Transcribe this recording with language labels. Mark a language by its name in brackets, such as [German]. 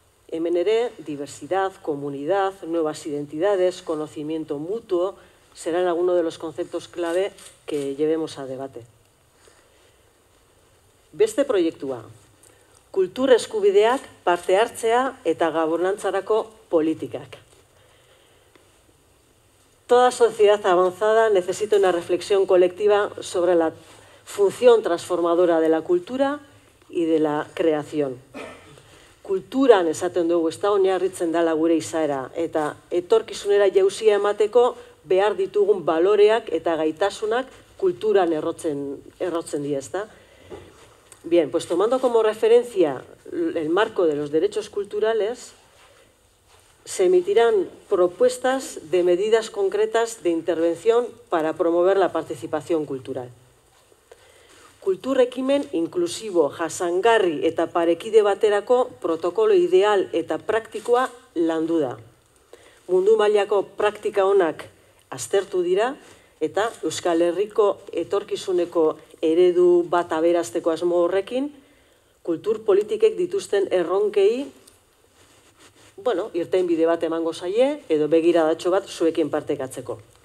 [Basque] Hemen ere, [Spanish] diversidad, comunidad, nuevas identidades, conocimiento mutuo, serán alguno de los conceptos clave que llevemos a debate. [Basque] Beste proiektua. Kultur eskubideak parte hartzea eta gobernantzarako politikak. [Spanish] Toda sociedad avanzada necesita una reflexión colectiva sobre la función transformadora de la cultura y de la creación. [Basque] Kulturan esaten dugu ez da oinarritzen dela gure izaera eta etorkizunera jauzia emateko behar ditugun baloreak eta gaitasunak kulturan errotzen dira, ezta? [Spanish] Bien, pues tomando como referencia el marco de los derechos culturales, se emitirán propuestas de medidas concretas de intervención para promover la participación cultural. [Basque] Kultur ekimen inklusibo, jasangarri eta parekide baterako protokolo ideal eta praktikoa landu da. Mundu mailako praktika onak aztertu dira eta Euskal Herriko etorkizuneko eredu bat aberazteko asmo horrekin, kultur politikek dituzten erronkei, bueno, irten bide bat emango zaie, edo begiradatxo bat zuekin partekatzeko.